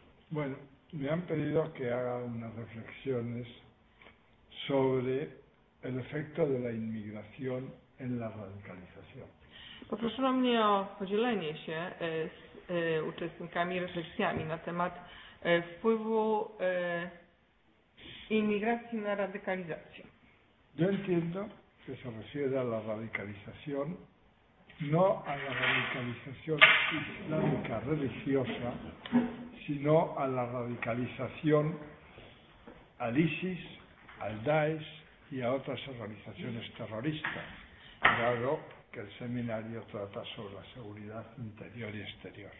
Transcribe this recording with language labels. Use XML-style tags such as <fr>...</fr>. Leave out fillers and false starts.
<es>Bueno, me han pedido que haga unas reflexiones sobre el efecto de la inmigración en la radicalización.</es> <pl>Poproszono mnie o podzielenie się z uczestnikami refleksjami na temat wpływu imigracji na radykalizację.</pl> <es>Yo entiendo que se refiere a la radicalización, no a la radicalización islámica religiosa, sino a la radicalización al ISIS, al Daesh, y a otras organizaciones terroristas, dado que el seminario trata sobre la seguridad interior y exterior.</es>